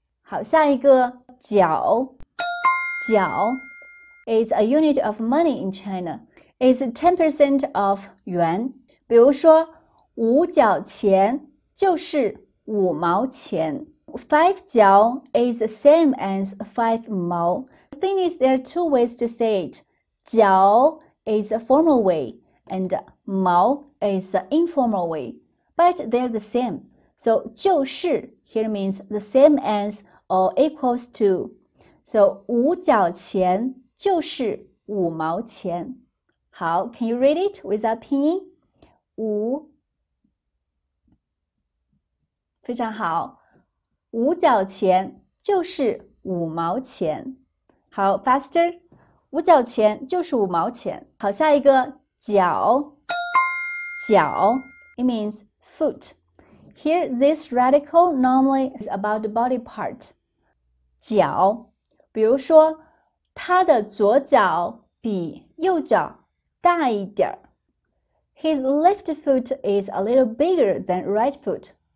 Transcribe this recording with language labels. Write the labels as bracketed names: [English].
[Chinese] 好, 下一个, 角, [English] 角 is a unit of money in China. It's 10% of yuan. [Chinese] 比如说, 五角钱就是五毛钱。 [English] 5角 is the same as 5毛. The thing is, there are two ways to say it. 角 is a formal way, and 毛 is an informal way. But they're the same. So 就是 here means the same as or equals to. [Chinese] So 五角钱就是五毛钱. [English] 好, can you read it without 拼音? [Chinese] 五, 非常好, 五角钱就是五毛钱. 好, [English] faster, [Chinese] 五角钱就是五毛钱.好, 下一个, 角, [English] 角, it means foot. Here, this radical normally is about the body part. [Chinese] 脚, 比如说, 他的左脚比右脚大一点。 [English] His left foot is a little bigger than right foot.